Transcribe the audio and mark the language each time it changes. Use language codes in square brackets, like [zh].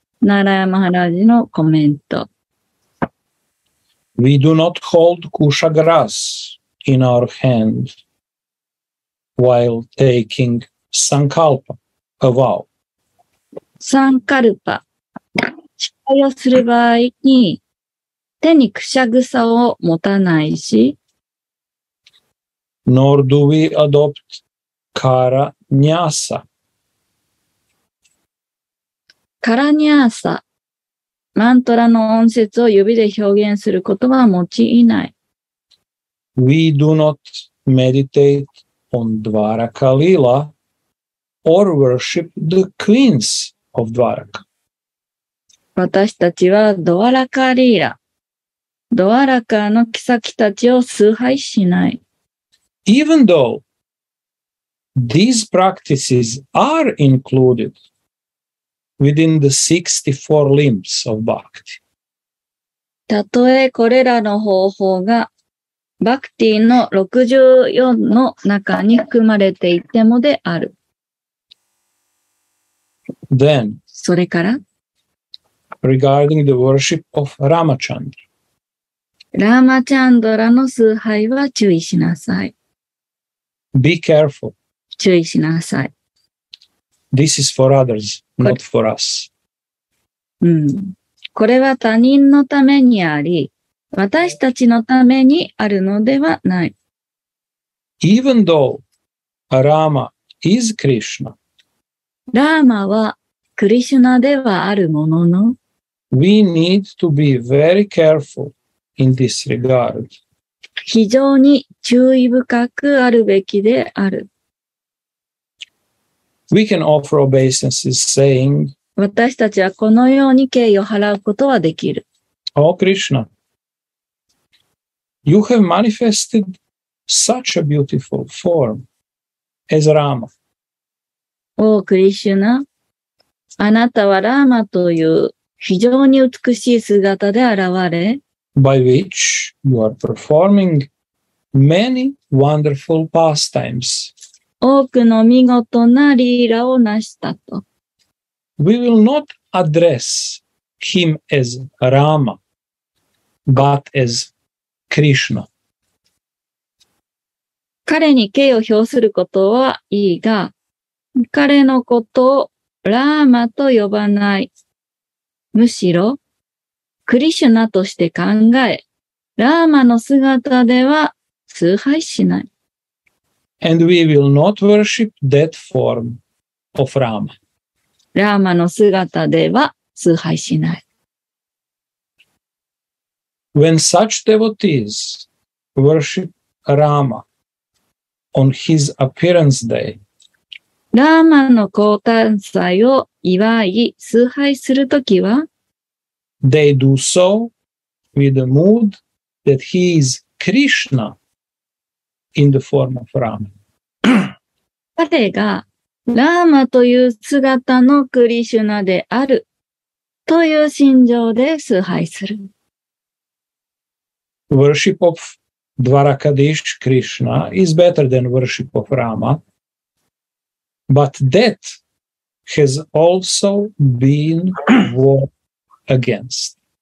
[ja] ナラヤン・マハラジのコメント。 [en] We do not hold kusha grass in our hand while taking sankalpa, a vow. [ja] Sankalpa, 誓いをする場合に手にくしゃ草を持たないし。 [en] Nor do we adopt kara nyasa. [ja] カラニアーサ、マントラの音節を指で表現することは用いない。 [en] We do not meditate on Dvaraka Lila or worship the queens of Dvaraka. [ja] 私たちはドワラカリーラ、ドワラカの妃たちを崇拝しない。 [en] Even though these practices are included,Within the 64 limbs of bhakti. [ja] たとえこれらの方法がバクティの64の中に含まれていてもである。 [en] Then, [ja] それから [en] regarding the worship of Ramachandra. [ja] ラーマチャンドラの崇拝は注意しなさい。 [en] Be careful. [ja] 注意しなさい。 [en] This is for others, not for us. [ja] うん。これは他人のためにあり、私たちのためにあるのではない。 [en] Even though Rama is Krishna, [ja] ラーマはクリシュナではあるものの、 [en] We need to be very careful in this regard. [ja] 非常に注意深くあるべきである。 [en] We can offer obeisances saying, [ja] 私たちはこのように敬意を払うことはできる。 [en] O Krishna, you have manifested such a beautiful form as Rama. O Krishna, [ja] あなたはラーマという非常に美しい姿で現れ、 [en] by which you are performing many wonderful pastimes. [ja] 多くの見事なリーラを成したと。 [en] We will not address him as Rama, but as Krishna. [ja] 彼に敬意を表することはいいが、彼のことをラーマと呼ばない。むしろ、クリシュナとして考え、ラーマの姿では崇拝しない。 [en] And we will not worship that form of Rama. [ja] ラーマの姿では崇拝しない。 [en] When such devotees worship Rama on his appearance day, [ja] ラーマの降誕祭を祝い崇拝するときは、 [en] they do so with the mood that he is Krishna in the form of Rama. [ja] 彼がラーマという姿のクリシュナであるという心情で崇拝する。 [en] Worship of Dvarakadish Krishna is better than worship of Rama, but that has also been war against.